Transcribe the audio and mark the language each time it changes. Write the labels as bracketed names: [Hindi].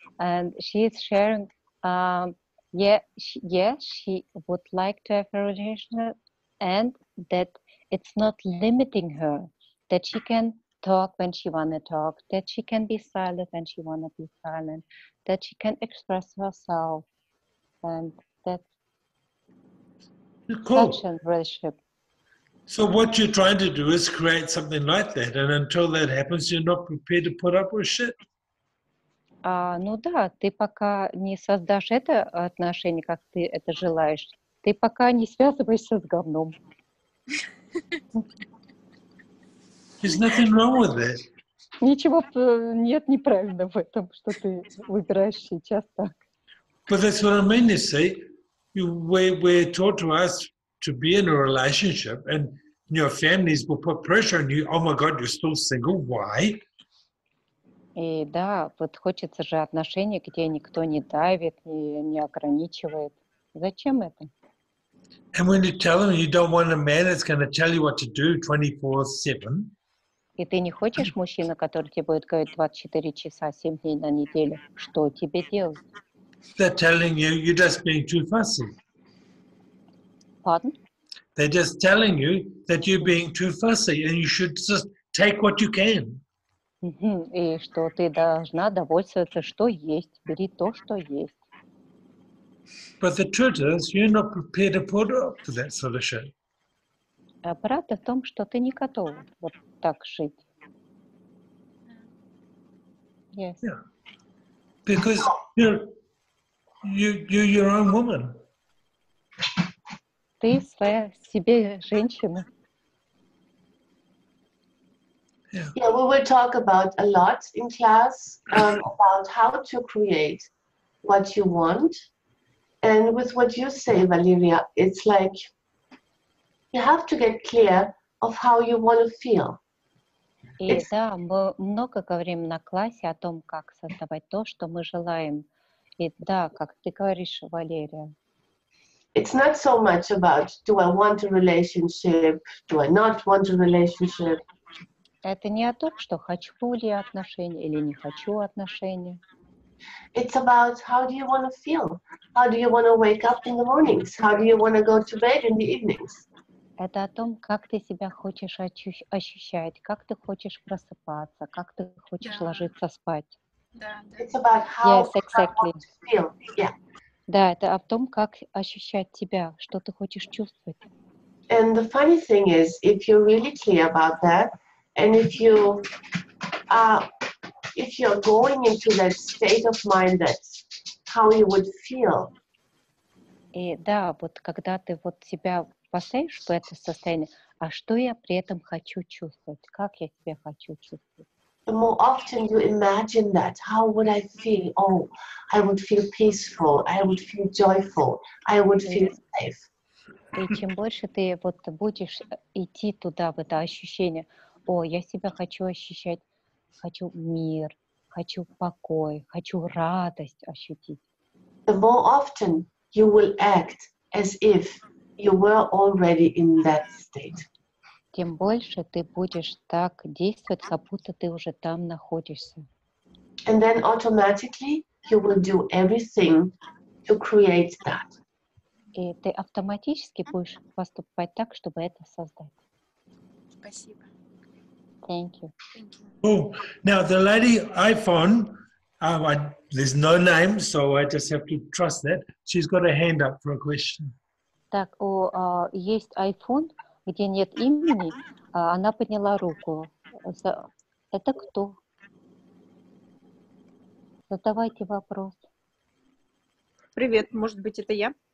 [English] And she is sharing, she would like to have a relationship, and that it's not limiting her, that she can talk when she want to talk, that she can be silent when she want to be silent, that she can express herself. And that's cool. Such a relationship. So what you're trying to do is create something like that, and until that happens, you're not prepared to put up with shit. [Russian] Ну да, ты пока не создашь это отношение, как ты это желаешь, ты пока не связываешься с говном. [English] There's nothing wrong with that. [Russian] Ничего нет неправильно в этом, что ты выбираешь сейчас так. [English] But that's what I mean, you see. We're taught to ask to be in a relationship, and your families will put pressure on you. Oh my God, you're still single. Why? [Russian] И да, вот хочется же отношений, где никто не давит и не ограничивает. Зачем это? [English] And when you tell them you don't want a man that's going to tell you what to do 24/7. [Russian] И ты не хочешь мужчину, который тебе будет говорить 24 часа 7 дней на неделю, что тебе делать? [English] They're telling you, you're just being too fussy. Pardon? They're just telling you that you're being too fussy and you should just take what you can. [Russian] И что ты должна довольствоваться, что есть. Бери то, что есть. [English] But the truth is, you're not prepared to put up for that sort of shit. [Russian] А правда в том, что ты не готова вот так жить. [English] Yes. Yeah. Because, you know, You're your own woman. [Russian] Ты своя себе женщина. [English] Yeah, we will talk about a lot in class about how to create what you want. And with what you say, Valeria, it's like you have to get clear of how you want to feel. [Russian] И да, мы много говорим на классе о том, как создавать то, что мы желаем. И да, как ты говоришь, Валерия. [English] It's not so much about do I want a relationship, do I not want a relationship. [Russian] Это не о том, что хочу ли отношения или не хочу отношения. [English] It's about how do you want to feel? How do you want to wake up in the mornings? How do you want to go to bed in the evenings? [Russian] Это о том, как ты себя хочешь ощущать, как ты хочешь просыпаться, как ты хочешь ложиться спать. [English] It's about how yes, exactly. I want to feel. Yeah. [Russian] Да, это о том, как ощущать тебя, что ты хочешь чувствовать. [English] And the funny thing is, if you're really clear about that, and if you're going into that state of mind, that's how you would feel. [Russian] И да, вот когда ты вот себя поставишь в это состояние, а что я при этом хочу чувствовать, как я себя хочу чувствовать? [English] The more often you imagine that, how would I feel? Oh, I would feel peaceful, I would feel joyful, I would feel safe. [Russian] И чем больше ты вот будешь идти туда, в это ощущение, о, я себя хочу ощущать, хочу мир, хочу покой, хочу радость ощутить. [English] The more often you will act as if you were already in that state. [Russian] Тем больше ты будешь так действовать, как будто ты уже там находишься. [English] And then automatically you will do everything to create that. [Russian] И ты автоматически будешь поступать так, чтобы это создать. Спасибо. [English] Thank you. Oh, now the lady iPhone, there's no name, so I just have to trust that. She's got a hand up for a question. [Russian] Так, у есть iPhone, где нет имени, она подняла руку. Это кто? Задавайте вопрос. Привет, может быть, это я?